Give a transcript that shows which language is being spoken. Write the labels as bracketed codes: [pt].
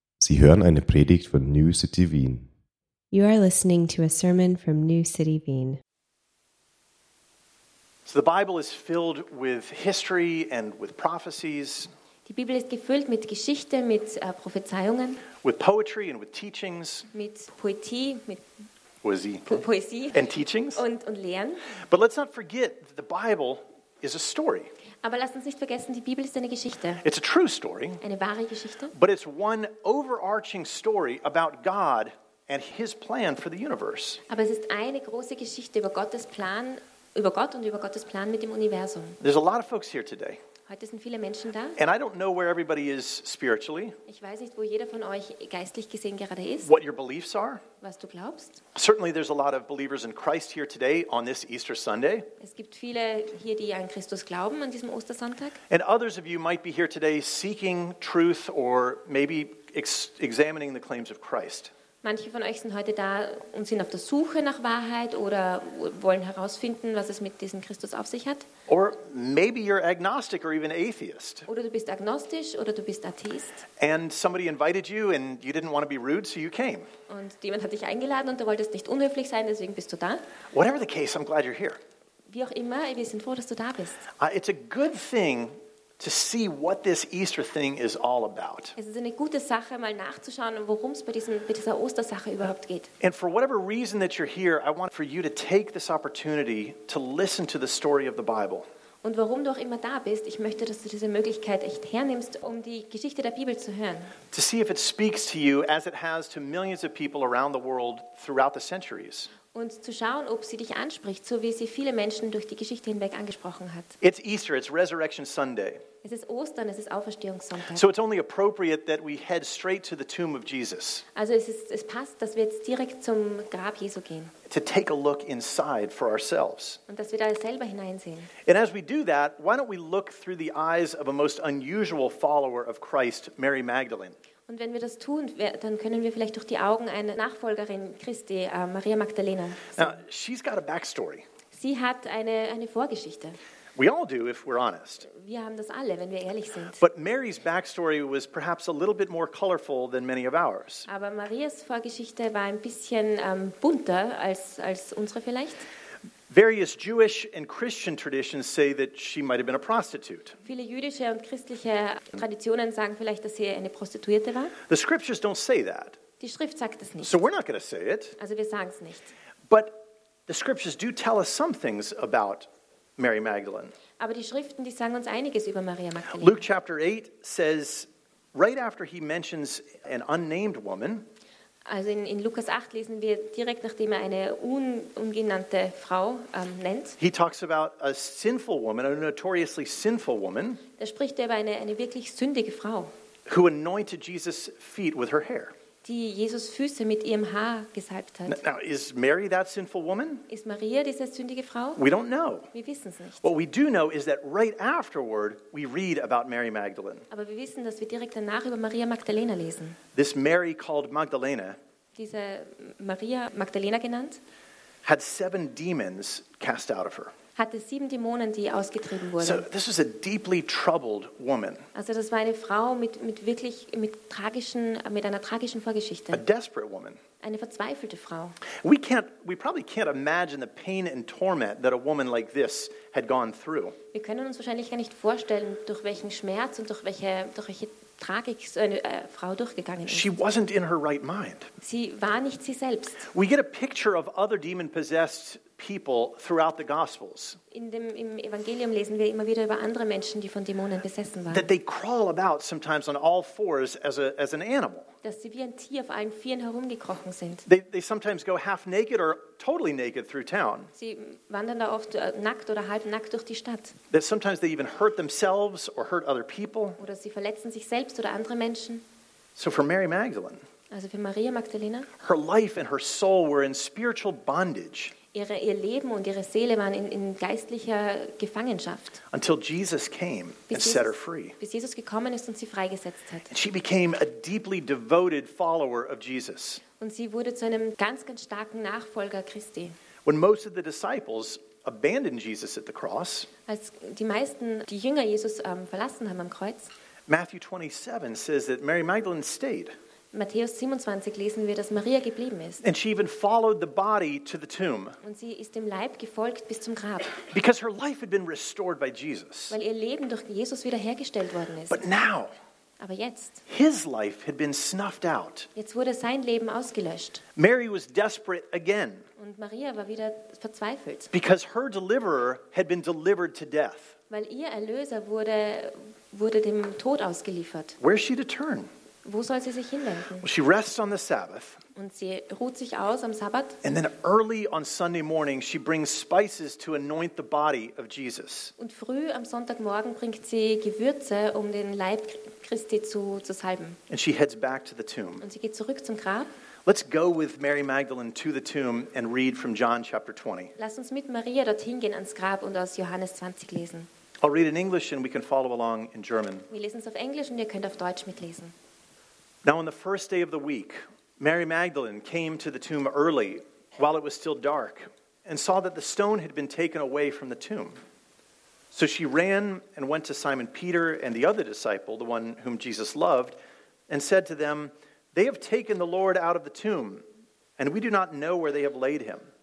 [de] Sie hören eine Predigt von New City Wien. [en] You are listening to a sermon from New City Wien. So the Bible is filled with history and with prophecies. [de] Die Bibel ist gefüllt mit Geschichte, mit Prophezeiungen. [en] With poetry and with teachings. [de] Mit Poetie, mit [en] Poesie. And teachings. [de] Und Lehren. [en] But let's not forget that the Bible is a story. [de] Aber lasst uns nicht vergessen, die Bibel ist eine Geschichte. [en] It's a true story. [de] Eine wahre Geschichte. [en] But it's one overarching story about God and his plan for the universe. [de] Aber es ist eine große Geschichte über Gottes Plan, über Gott und über Gottes Plan mit dem Universum. [en] There's a lot of folks here today. [de] Heute sind viele Menschen da. [en] And I don't know where everybody is spiritually. [de] Ich weiß nicht, wo jeder von euch geistlich gesehen gerade ist. [en] What your beliefs are. [de] Was du glaubst. [en] Certainly there's a lot of believers in Christ here today on this Easter Sunday. [de] Es gibt viele hier, die an Christus glauben an diesem Ostersonntag. [en] And others of you might be here today seeking truth or maybe examining the claims of Christ. [de] Manche von euch sind heute da und sind auf der Suche nach Wahrheit oder wollen herausfinden, was es mit diesem Christus auf sich hat. [en] Or maybe you're agnostic or even atheist. [de] Oder du bist agnostisch oder du bist Atheist. [en] And somebody invited you and you didn't want to be rude, so you came. [de] Und jemand hat dich eingeladen und du wolltest nicht unhöflich sein, deswegen bist du da. [en] Whatever the case, I'm glad you're here. [de] Wie auch immer, wir sind froh, dass du da bist. [en] It's a good thing to see what this Easter thing is all about. [de] Es ist eine gute Sache, mal nachzuschauen, worum es bei dieser Ostersache überhaupt geht. [en] And for whatever reason that you're here, I want for you to take this opportunity to listen to the story of the Bible. [de] Und warum du auch immer da bist, ich möchte, dass du diese Möglichkeit echt hernimmst, um die Geschichte der Bibel zu hören. [en] To see if it speaks to you as it has to millions of people around the world throughout the centuries. [de] Und zu schauen, ob sie dich anspricht, so wie sie viele Menschen durch die Geschichte hinweg angesprochen hat. [en] It's Easter, it's Resurrection Sunday. [de] Es ist Ostern, es ist Auferstehungssonntag. [en] So it's only appropriate that we head straight to the tomb of Jesus. [de] Also es passt, dass wir jetzt direkt zum Grab Jesu gehen. [en] To take a look inside for ourselves. [de] Und dass wir da selber hineinsehen. [en] And as we do that, why don't we look through the eyes of a most unusual follower of Christ, Mary Magdalene. [de] Und wenn wir das tun, dann können wir vielleicht durch die Augen einer Nachfolgerin Christi, Maria Magdalena. [en] Now, she's got a backstory. [de] Sie hat eine Vorgeschichte. [en] We all do, if we're honest. [de] Wir haben das alle, wenn wir ehrlich sind. [en] But Mary's backstory was perhaps a little bit more colorful than many of ours. [de] Aber Marias Vorgeschichte war ein bisschen bunter als unsere vielleicht. [en] Various Jewish and Christian traditions say that she might have been a prostitute. [de] Viele jüdische und christliche Traditionen sagen vielleicht, dass sie eine Prostituierte war. [en] The scriptures don't say that. [de] Die Schrift sagt das nicht. [en] So we're not going to say it. [de] Also wir sagen es nicht. [en] But the scriptures do tell us some things about Mary Magdalene. [de] Aber die Schriften, die sagen uns einiges über Maria Magdalena. [en] Luke chapter 8 says, right after he mentions an unnamed woman. [de] Also in Lukas 8 lesen wir direkt, nachdem er eine ungenannte Frau nennt. [en] He talks about a sinful woman, a notoriously sinful woman. [de] Da spricht er über eine wirklich sündige Frau. [en] Who anointed Jesus' feet with her hair. [de] Die Jesus' Füße mit ihrem Haar gesalbt hat. [en] Now, is Mary that sinful woman? [de] Ist Maria diese sündige Frau? [en] We don't know. [de] Wir wissen es nicht. [en] What we do know is that right afterward we read about Mary Magdalene. [de] Aber wir wissen, dass wir direkt danach über Maria Magdalena lesen. [en] This Mary called Magdalena. [de] Diese Maria Magdalena genannt. [en] Had seven demons cast out of her. [de] Hatte sieben Dämonen, die ausgetrieben wurden. [en] So this was a deeply troubled woman. [de] Also das war eine Frau mit einer tragischen Vorgeschichte. [en] A desperate woman. [de] Eine verzweifelte Frau. [en] We probably can't imagine the pain and torment that a woman like this had gone through. [de] Wir können uns wahrscheinlich gar nicht vorstellen, durch welchen Schmerz und durch welche Tragik so eine Frau durchgegangen ist. [en] She wasn't in her right mind. [de] Sie war nicht sie selbst. [en] We get a picture of other demon-possessed people throughout the Gospels. [de] Im Evangelium lesen wir immer wieder über andere Menschen, die von Dämonen besessen waren. [en] That they crawl about sometimes on all fours as an animal. [de] Dass sie wie ein Tier auf allen Vieren herumgekrochen sind. [en] They sometimes go half naked or totally naked through town. [de] Sie wandern da oft nackt oder halb nackt durch die Stadt. [en] That sometimes they even hurt themselves or hurt other people. [de] Oder sie verletzen sich selbst oder andere Menschen. [en] So for Mary Magdalene. [de] Also für Maria Magdalena. [en] Her life and her soul were in spiritual bondage. [de] Ihr Leben und ihre Seele waren in geistlicher Gefangenschaft. [en] Until Jesus came and set her free. [de] Bis Jesus gekommen ist und sie freigesetzt hat. [en] And she became a deeply devoted follower of Jesus. [de] Und sie wurde zu einem ganz, ganz starken Nachfolger Christi. [en] When most of the disciples abandoned Jesus at the cross, [de] als die meisten, die Jünger Jesus verlassen haben am Kreuz, [en] Matthew 27 says that Mary Magdalene stayed. [de] Matthäus 27 lesen wir, dass Maria geblieben ist. [en] And she even followed the body to the tomb. [de] Und sie ist dem Leib gefolgt bis zum Grab. [en] Because her life had been restored by Jesus. [de] Weil ihr Leben durch Jesus wiederhergestellt worden ist. [en] But now, [de] aber jetzt, [en] his life had been snuffed out. [de] Jetzt wurde sein Leben ausgelöscht. [en] Mary was desperate again. [de] Und Maria war wieder verzweifelt. [en] Because her deliverer had been delivered to death. [de] Weil ihr Erlöser wurde dem Tod ausgeliefert. [en] Where is she to turn? [de] Wo soll sie sich hinwenden? [en] Well, she rests on the Sabbath. [de] Und sie ruht sich aus am Sabbat. [en] And then early on Sunday morning, she brings spices to anoint the body of Jesus. [de] Und früh am Sonntagmorgen bringt sie Gewürze, um den Leib Christi zu salben. [en] And she heads back to the tomb. [de] Und sie geht zurück zum Grab. [en] Let's go with Mary Magdalene to the tomb and read from John chapter 20. [de] Lass uns mit Maria dorthin gehen ans Grab und aus Johannes 20 lesen. [en] I'll read in English and we can follow along in German. [de] Wir lesen es auf Englisch und ihr könnt auf Deutsch mitlesen. [en] Now on the first day of the week, Mary Magdalene came to the tomb early, while it was still dark, and saw that the stone had been taken away from the tomb. So she ran and went to Simon Peter and the other disciple, the one whom Jesus loved, and said to them, "They have taken the Lord out of the tomb, and we do not know where they have laid him."